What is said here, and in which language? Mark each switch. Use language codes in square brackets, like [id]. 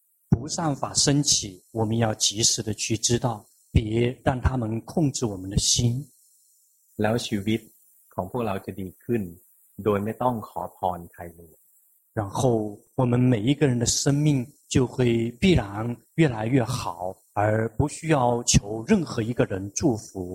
[zh] 不善法升起我们要及时的去知道别让他们控制我们的心 [th] แล้วชีวิตของพวกเราจะดีขึ้นโดยไม่ต้องขอพรใครเลย [zh] 然后我们每一个人的生命就会必然越来越好而不需要求任何一个人祝福